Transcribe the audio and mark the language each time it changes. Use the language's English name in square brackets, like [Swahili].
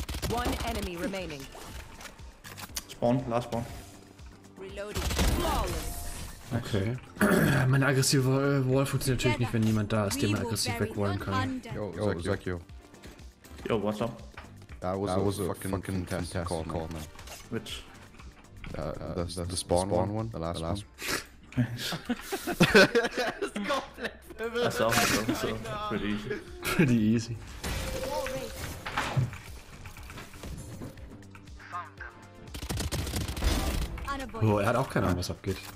[English] One enemy remaining. Spawn, last spawn. Reloading. Okay. [German] Meine aggressive Wall funktioniert natürlich nicht, wenn niemand da ist, den man aggressiv wegwallen kann. Yo, sag yo. [English] Yo, what's up? That was a fucking fantastic corner. Which? The spawn one? The last one. [German] Das ist komplett verwirrt. Das ist auch nicht so. [English] Pretty easy. Pretty easy. [German] Oh, er hat auch keine Ahnung, was abgeht.